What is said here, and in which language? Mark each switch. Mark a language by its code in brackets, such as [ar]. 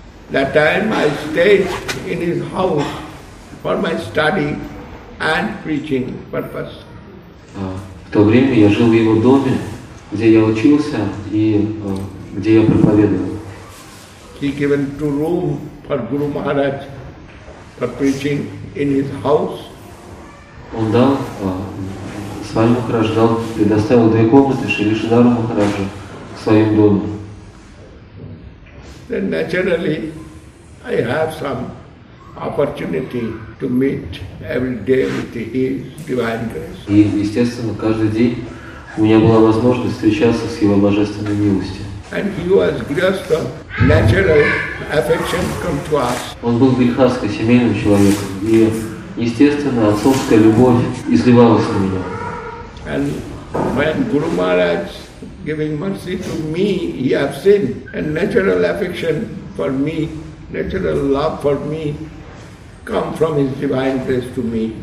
[en] That time I stayed in his house for my study and preaching purpose. [ru] В то время я жил в его доме, где я учился и где я проповедовал. [en] He given two rooms for Guru Maharaj for preaching in his house. [ru] Он дал, Свами Махарадж дал, предоставил две комнаты Шри Шридхара Махараджа в своем доме. [en] Then naturally, I have some opportunity to meet every day with His Divine Grace. [ru] И, естественно, каждый день у меня была возможность встречаться с Его Божественной Милостью. [en] And he was just a natural affection come to us. [ru] Он был грехастый семейным человеком, и естественно отцовская любовь изливалась на меня. [en] And when Guru Maharaj giving mercy to me, he have seen a natural affection for me, natural love for me come from his divine grace to me.